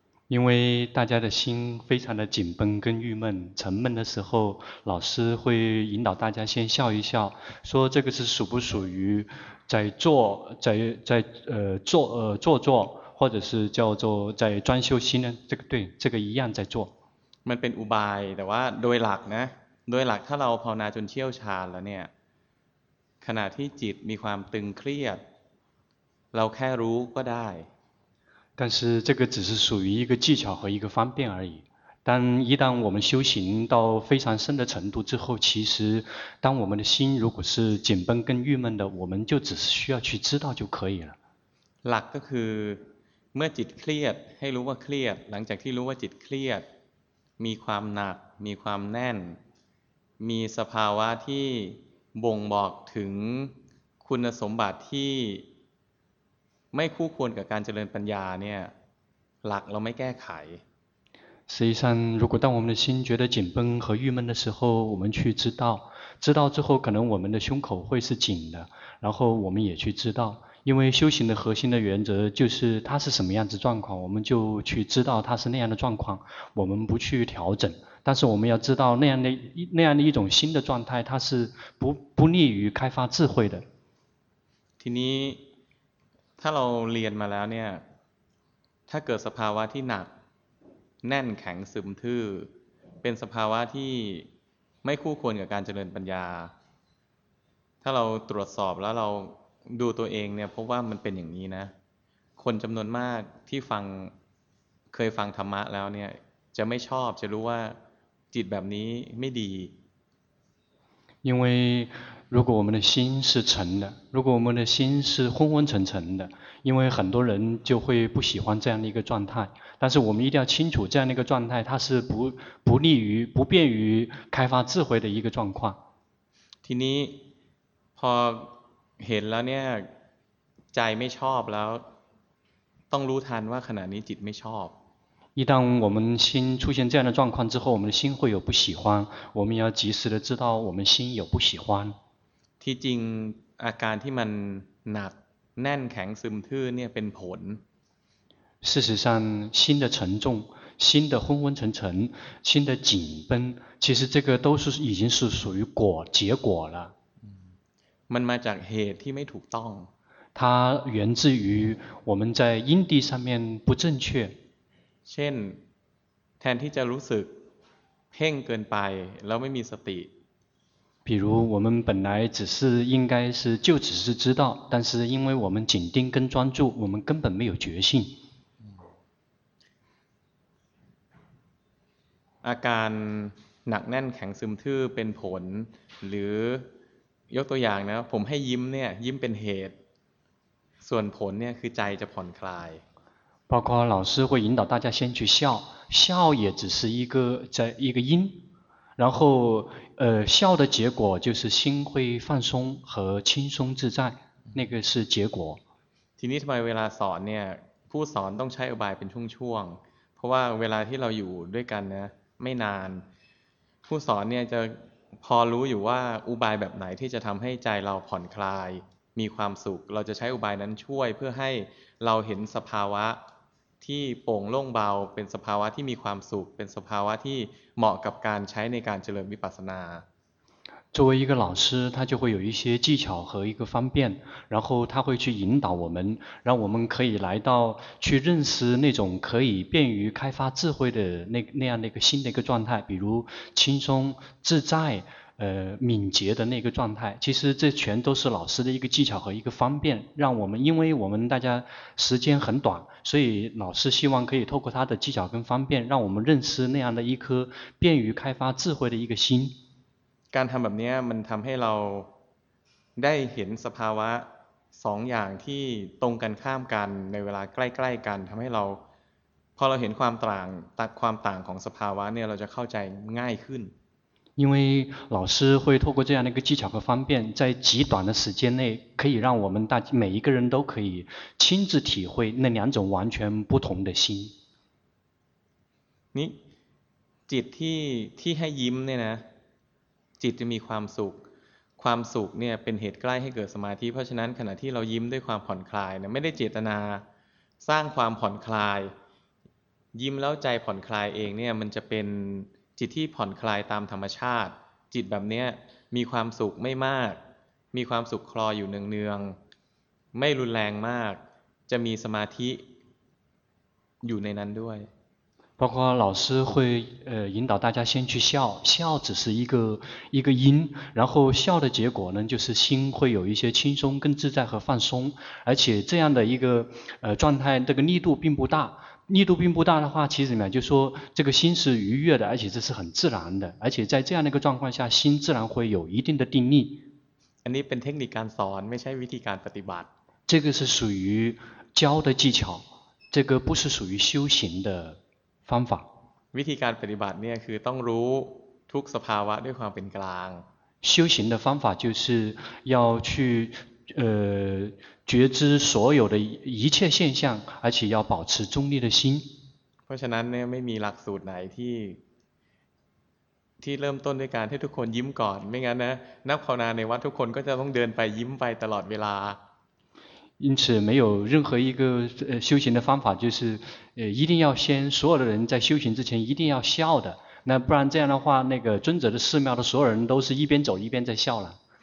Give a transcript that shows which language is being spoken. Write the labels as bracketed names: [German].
[Chinese] 因为大家的心非常的紧绷跟郁闷沉闷的时候老师会引导大家先笑一笑说这个是属不属于在做在做做做或者是叫做在专修心呢这个对这个一样在做 [Thai] มันเป็นอุบายแต่ว่าโดยหลักนะโดยหลักถ้าเราภาวนาจนเชี่ยวชาญแล้วเนี่ยขณะที่จิตมีความตึงเครียดเราแค่รู้ก็ได้ [Chinese] 但是这个只是属于一个技巧和一个方便而已但一旦我们修行到非常深的程度之后其实当我们的心如果是紧绷跟郁闷的我们就只是需要去知道就可以了 [Thai] หลักก็คือเมื่อจิตเครียดให้รู้ว่าเครียดหลังจากที่รู้ว่าจิตเครียดมีความหนักมีความแน่นมีสภาวะที่บ่งบอกถึงคุณสมบัติที่ไม่คู่ควรกับการเจริญปัญญาเนี่ยหลักเราไม่แก้ไข [Chinese] 实际上如果当我们的心觉得紧绷和郁闷的时候我们去知道之后可能我们的胸口会是紧的然后我们也去知道因为修行的核心的原则就是它是什么样子状况我们就去知道它是那样的状况我们不去调整但是我们要知道那样的一种新的状态它是不利于开发智慧的 [Thai] ทีนี้ถ้าเราเรียนมาแล้วเนี่ยถ้าเกิดสภาวะที่หนักแน่นแข็งซึมทื่อเป็นสภาวะที่ไม่คู่ควรกับการเจริญปัญญาถ้าเราตรวจสอบแล้วเราดูตัวเองเนี่ยพบว่ามันเป็นอย่างนี้นะคนจำนวนมากที่ฟังเคยฟังธรรมะแล้วเนี่ยจะไม่ชอบจะรู้ว่าจิตแบบนี้ไม่ดี [Chinese] 因为如果我们的心是沉的，如果我们的心是昏昏沉沉的，因为很多人就会不喜欢这样的一个状态，但是我们一定要清楚这样的一个状态它是不利于不便于开发智慧的一个状况。 [Thai] ทีนี้พอเห็นแล้วเนี่ยใจไม่ชอบแล้วต้องรู้ทันว่าขณะนี้จิตไม่ชอบ [Chinese] 一旦我们心出现这样的状况之后，我们的心会有不喜欢，我们要及时的知道我们心有不喜欢。 [Thai] ที่จริงอาการที่มันหนักแน่นแข็งซึมทื่อเนี่ยเป็นผล [Chinese] 事实上心的沉重心的昏昏沉沉心的紧绷其实这个都是已经是属于果结果了 [Thai] มันมาจากเหตุที่ไม่ถูกต้อง [Chinese] 它源自于我们在因地上面不正确 [Thai] เช่นแทนที่จะรู้สึกเพ่งเกินไปแล้วไม่มีสติ [Chinese] 比如我们本来只是应该是就只是知道但是因为我们紧盯跟专注我们根本没有决心 [Thai] อาการหนักแน่นแข็งซึมทื่อเป็นผลหรือยกตัวอย่างนะผมให้ยิ้มเนี่ยยิ้มเป็นเหตุส่วนผลเนี่ยคือใจจะผ่อนคลาย [Chinese] 包括老师会引导大家先去笑，笑也只是一个在一个因，然后笑的结果就是心会放松和轻松自在，那个是结果。 [Thai] ทีนี้ทำไมเวลาสอนเนี่ยผู้สอนต้องใช้อุบายเป็นช่วงๆเพราะว่าเวลาที่เราอยู่ด้วยกันนะไม่นานผู้สอนเนี่ยจะพอรู้อยู่ว่าอุบายแบบไหนที่จะทำให้ใจเราผ่อนคลายมีความสุขเราจะใช้อุบายนั้นช่วยเพื่อให้เราเห็นสภาวะที่โปร่งโล่งเบาเป็นสภาวะที่มีความสุขเป็นสภาวะที่เหมาะกับการใช้ในการเจริญวิปัสสนา [Chinese] 作为一个老师他就会有一些技巧和一个方便然后他会去引导我们让我们可以来到去认识那种可以便于开发智慧的 那样的一个新的一个状态比如轻松自在敏捷的那个状态其实这全都是老师的一个技巧和一个方便让我们因为我们大家时间很短所以老师希望可以透过他的技巧跟方便让我们认识那样的一颗便于开发智慧的一个心 [Thai] การทำแบบนี้มันทำให้เราได้เห็นสภาวะสองอย่างที่ตรงกันข้ามกันในเวลาใกล้ๆกันทำให้เราพอเราเห็นความต่างความต่างของสภาวะเนี่ยเราจะเข้าใจง่ายขึ้น [Chinese] 因为老师会透过这样的一个技巧和方便在极短的时间内可以让我们大每一个人都可以亲自体会那两种完全不同的心 [Thai] นี่จิตที่ให้ยิ้มเนี่ยนะจิตจะมีความสุขความสุขเนี่ยเป็นเหตุใกล้ให้เกิดสมาธิเพราะฉะนั้นขณะที่เรายิ้มด้วยความผ่อนคลายเนี่ยไม่ได้เจตนาสร้างความผ่อนคลายยิ้มแล้วใจผ่อนคลายเองเนี่ยมันจะเป็นจิตที่ผ่อนคลายตามธรรมชาติจิตแบบเนี้ยมีความสุขไม่มากมีความสุขคลออยู่เนืองๆไม่รุนแรงมากจะมีสมาธิอยู่ในนั้นด้วย [Chinese] 包括老师会引导大家先去笑笑只是一个因然后笑的结果呢就是心会有一些轻松更自在和放松而且这样的一个状态这个力度并不大的话其实呢就说这个心是愉悦的而且这是很自然的而且在这样的一个状况下心自然会有一定的定力 [Thai] อันนี้เป็นเทคนิคการสอนไม่ใช่วิธีการปฏิบัติ [Chinese] 这个是属于教的技巧这个不是属于修行的方法 [Thai] วิธีการปฏิบัติเนี่ยคือต้องรู้ทุกสภาวะด้วยความเป็นกลาง [Chinese] 修行的方法就是要去觉知所有的一切现象而且要保持中立的心 [Thai] เพราะฉะนั้นเนี่ยไม่มีหลักสูตรไหนที่เริ่มต้นด้วยการให้ทุกคนยิ้มก่อนไม่งั้นนะนักภาวนาในวัดทุกคนก็จะต้องเดินไปยิ้มไปตลอดเวลา [Chinese] 因此没有任何一个修行的方法就是一定要先所有的人在修行之前一定要笑的那不然这样的话那个尊者的寺庙的所有人都是一边走一边在笑了